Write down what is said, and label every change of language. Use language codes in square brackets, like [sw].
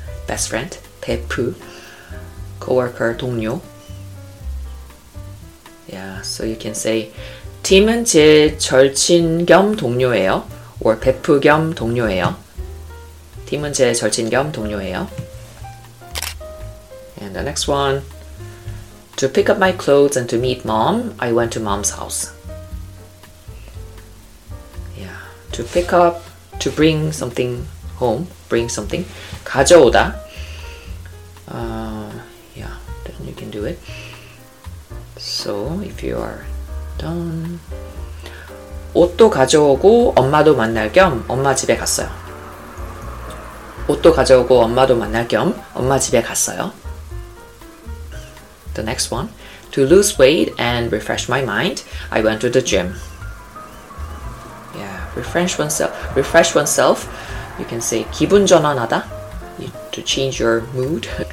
[en] best friend, [ko] 베프, [en] co-worker, [ko] 동료. [en] Yeah, so you can say, [ko] 팀은 제 절친 겸 동료예요, [en] or [ko] 베프 겸 동료예요. 팀은 제 절친 겸 동료예요. [en] And the next one, to pick up my clothes and to meet mom, I went to mom's house. Yeah, to pick up, to bring something home, bring something. [ko] 가져오다. [en] Yeah, then you can do it. So, if you are done. [ko] 옷도 가져오고 엄마도 만날 겸 엄마 집에 갔어요. 옷도 가져오고 엄마도 만날 겸 엄마 집에 갔어요. [en] The next one. To lose weight and refresh my mind, I went to the gym. Yeah, refresh oneself. You can say [ko] 기분 전환하다, [en] to change your mood.